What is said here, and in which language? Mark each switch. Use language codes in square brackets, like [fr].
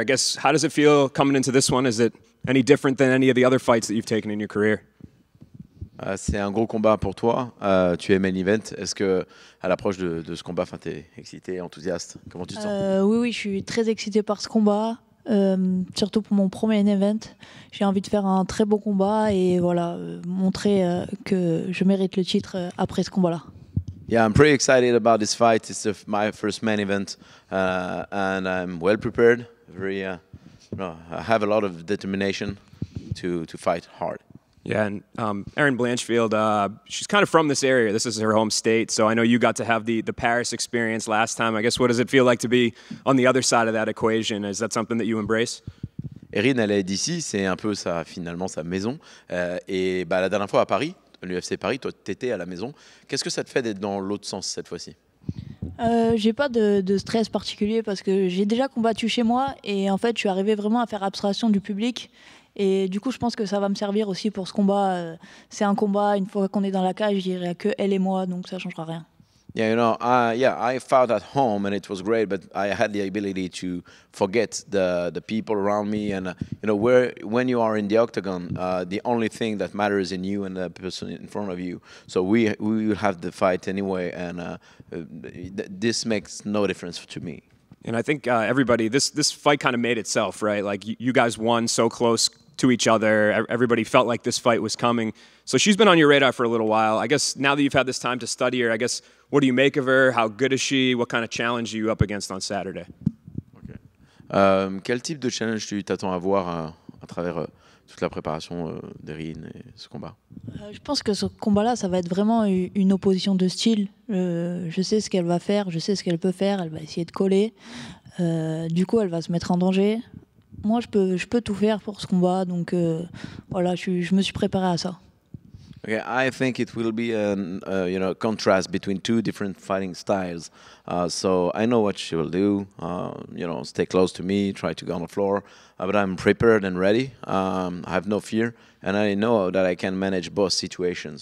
[en] I guess, how does it feel coming into this one? Is it any different than any of the other fights that you've taken in your career? [fr] C'est un gros combat pour toi. Tu es main event. Est-ce que, à l'approche de ce combat, t'es excité, enthousiaste? Comment tu te sens? Oui, je suis très excité par ce combat, surtout pour mon premier main event. J'ai envie de faire un très bon combat et voilà, montrer que je mérite le titre après ce combat-là. [en] Yeah, I'm pretty excited about this fight. It's my first main event, and I'm well prepared. I have a lot of determination to fight hard. Yeah, and Erin Blanchfield, she's kind of from this area. This is her home state, so I know you got to have the Paris experience last time. I guess, what does it feel like to be on the other side of that equation? Is that something that you embrace? [fr] Erin, elle est d'ici, c'est un peu finalement sa maison. La dernière fois à Paris, l'UFC Paris, toi, t'étais à la maison. Qu'est-ce que ça te fait d'être dans l'autre sens cette fois-ci? J'ai pas de stress particulier parce que j'ai déjà combattu chez moi et en fait, je suis arrivée vraiment à faire abstraction du public. Et du coup, je pense que ça va me servir aussi pour ce combat. C'est un combat, une fois qu'on est dans la cage, il n'y a que elle et moi, donc ça ne changera rien. [en] Yeah, you know, I fought at home and it was great, but I had the ability to forget the people around me. And, you know, when you are in the octagon, the only thing that matters in you and the person in front of you. So we will have the fight anyway, and this makes no difference to me. And I think everybody, this fight kind of made itself, right? Like you guys won so close to each other. Everybody felt like this fight was coming. So she's been on your radar for a little while. I guess now that you've had this time to study her, I guess, what do you make of her? How good is she? What kind of challenge are you up against on Saturday? Okay. [fr] Quel type de challenge tu t'attends à voir à travers toute la préparation d'Erin et ce combat? Je pense que ce combat-là, ça va être vraiment une opposition de style. Je sais ce qu'elle va faire, je sais ce qu'elle peut faire, elle va essayer de coller. Du coup, elle va se mettre en danger. Moi, je peux tout faire pour ce combat, donc voilà, je me suis préparé à ça. [en] Okay, I think it will be a you know, contrast between two different fighting styles. So I know what she will do. You know, stay close to me, try to go on the floor. But I'm prepared and ready. I have no fear, and I know that I can manage both situations.